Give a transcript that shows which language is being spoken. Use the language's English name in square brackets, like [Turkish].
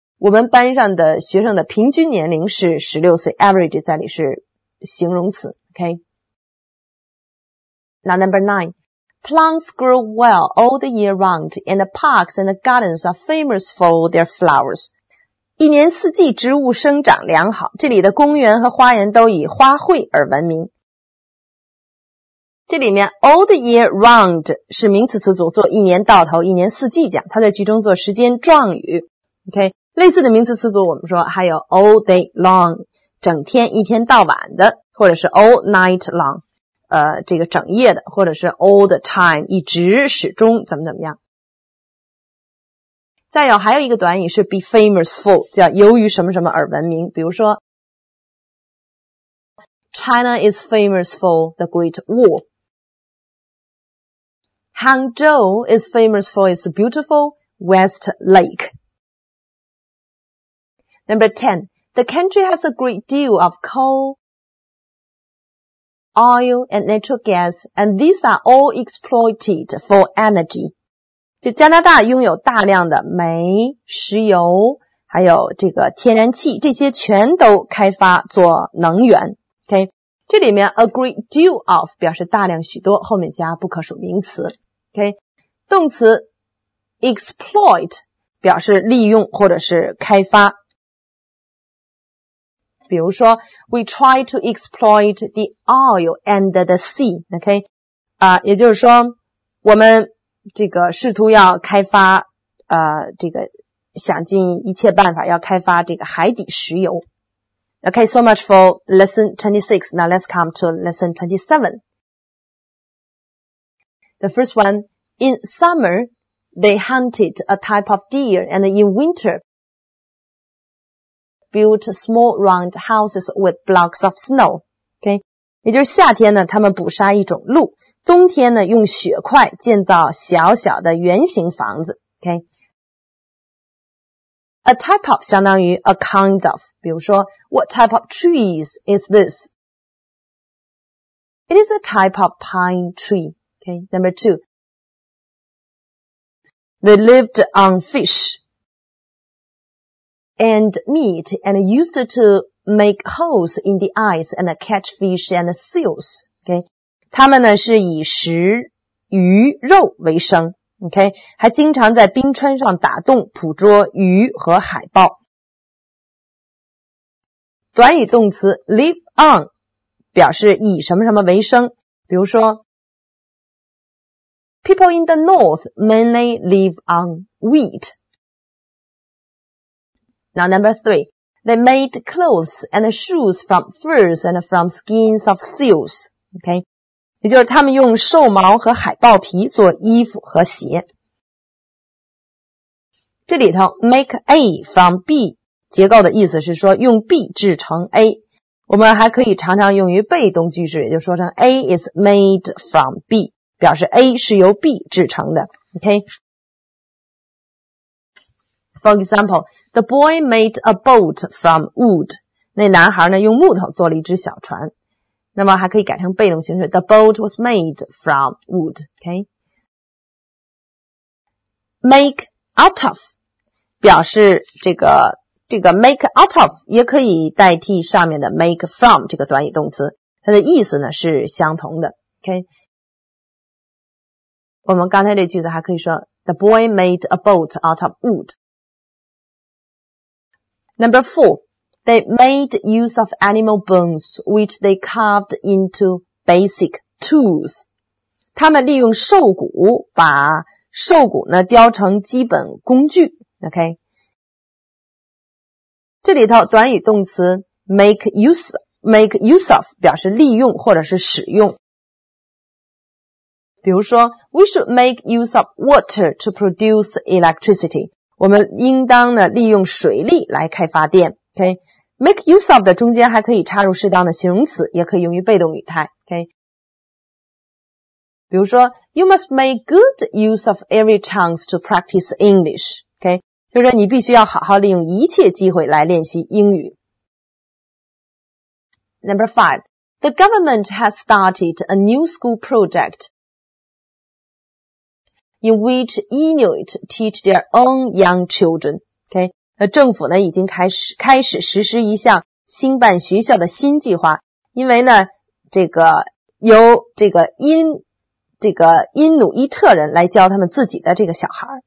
[Chinese] 我们班上的学生的平均年龄是16岁 average 在里是形容词。Okay? [English] Now number 9. Plants grow well all the year round, and the parks and the gardens are famous for their flowers. [Chinese] 一年四季植物生长良好，这里的公园和花园都以花卉而闻名。这里面 [English] all the year round [Chinese] 是名词词组，做一年到头、一年四季讲。它在句中做时间状语。OK， 类似的名词词组，我们说还有 [English] all day long， [Chinese] 整天、一天到晚的，或者是 [English] all night long。 [Chinese] 这个整夜的或者是 [English] all the time [Chinese] 一直始终怎么怎么样再有还有一个短语是 [English] be famous for [Chinese] 叫由于什么什么而闻名比如说 [English] China is famous for the Great Wall Hangzhou is famous for its beautiful West Lake Number 10 The country has a great deal of coalOil and natural gas, and these are all exploited for energy. [Chinese] 就加拿大拥有大量的煤、石油，还有这个天然气，这些全都开发做能源。 [English] Okay? [Chinese] 这里面 [English] a great deal of [Chinese] 表示大量许多，后面加不可数名词。Okay? 动词 exploit 表示利用或者是开发。比如说 [English] ,we try to exploit the oil and the sea, okay? [Chinese] 也就是说我们这个试图要开发这个想尽一切办法要开发这个海底石油。 [English] Okay, so much for lesson 26. Now let's come to lesson 27. The first one, in summer, they hunted a type of deer and in winter,built small round houses with blocks of snow. Okay. [Chinese] 也就是夏天呢他们捕杀一种鹿冬天呢用雪块建造小小的圆形房子。 [English] Okay. A type of [Chinese] 相当于 [English] a kind of. [Chinese] 比如说 [English] what type of trees is this? It is a type of pine tree. Okay. Number two. They lived on fish. And meat and used to make holes in the ice and catch fish and seals. Okay. [Chinese] 他们呢是以食鱼肉为生。 Okay. 还经常在冰川上打洞捕捉鱼和海豹。短语动词 [English] live on [Chinese] 表示以什么什么为生。比如说 [English] People in the north mainly live on wheat. Now number three, they made clothes and shoes from furs and from skins of seals. [Chinese] Okay, 也就是他们用兽毛和海豹皮做衣服和鞋。这里头 [English] make A from B [Chinese] 结构的意思是说用 B 制成 A。我们还可以常常用于被动句式，也就说成 [English] A is made from B， [Chinese] 表示 A 是由 B 制成的。 [English] OK， For example, the boy made a boat from wood. [Chinese] 那男孩呢，用木头做了一只小船。那么还可以改成被动形式， [English] The boat was made from wood. [Chinese] OK， Make out of 表示这个 [English] make out of [Chinese] 也可以代替上面的 [English] make from [Chinese] 这个短语动词，它的意思呢是相同的。 OK， 我们刚才这句子还可以说 [English] The boy made a boat out of wood. Number four, they made use of animal bones which they carved into basic tools. [Chinese] 他们利用兽骨把兽骨呢雕成基本工具。 [English] OK。 [Chinese] 这里头短语动词 [English] make use of [Chinese] 表示利用或者是使用。比如说 [English] We should make use of water to produce electricity. [Chinese] 我们应当呢利用水力来开发电。 Okay? [English] Make use of [Chinese] 的中间还可以插入适当的形容词，也可以用于被动语态。Okay? 比如说 [English] You must make good use of every chance to practice English. Okay? [Chinese] 就是你必须要好好利用一切机会来练习英语。 [English] Number five, the government has started a new school project in which Inuit teach their own young children. [Chinese] Okay, 政府呢已经开始实施一项新办学校的新计划，因为呢，这个由这个因努伊特人来教他们自己的这个小孩。